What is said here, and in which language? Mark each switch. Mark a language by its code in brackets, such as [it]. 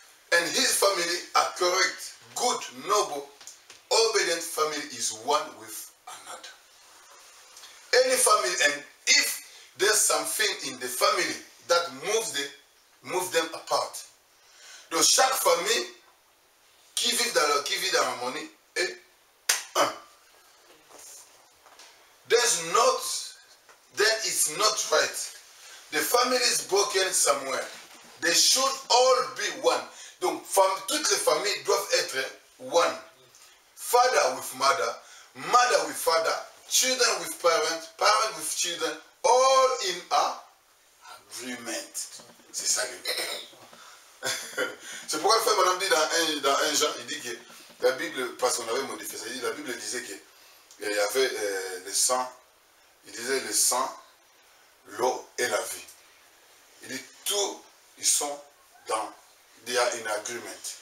[en] And his family are correct, good, noble, obedient family is one with another. Any family, and if there's something in the family that moves them apart. [fr] Donc chaque famille qui vit dans l'harmonie est un. [en] Then it's not right. The family is broken somewhere. They should all be one. [fr] Donc, toutes les familles doivent être [en] one. Father with mother, mother with father, children with parents, parents with children, all in a agreement. [fr] C'est ça. C'est pourquoi le frère Branham dit dans 1 Jean, il dit que la Bible, parce qu'on avait modifié ça, il dit, la Bible disait qu'il y avait le sang, il disait le sang, l'eau et la vie. Il dit tout, ils sont dans, il y a un agreement.